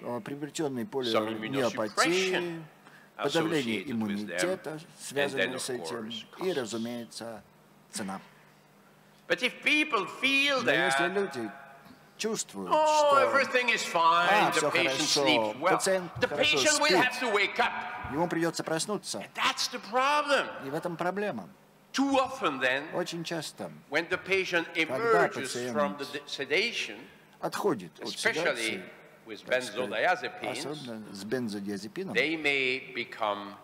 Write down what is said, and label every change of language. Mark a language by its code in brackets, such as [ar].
[ru] приобретенной полинеопатии, подавление иммунитета, связанное с этим, и, разумеется, цена. [en] But if people feel that, [ru] чувствуют, [en] everything is fine, the patient sleeps well, the patient will have to wake up. [ru] Ему придется проснуться. [en] And that's the problem. [ru] И в этом проблема. [en] Too often then, [ru] очень часто, [en] when the patient emerges from the sedation, [ru] отходит от [en] especially [ru] седации, особенно с бензодиазепином, [en] they may become,